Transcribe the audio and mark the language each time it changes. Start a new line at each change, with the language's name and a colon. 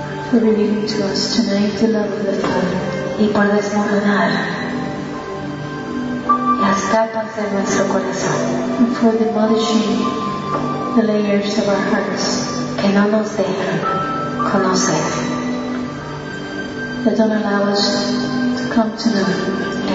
English: For revealing to us tonight the love of the Father.
Spanish: Y por desmoronar las capas de nuestro corazón.
English: And for demolishing the layers of our hearts.
Spanish: Que no nos dejan conocer.
English: That don't allow us to come to know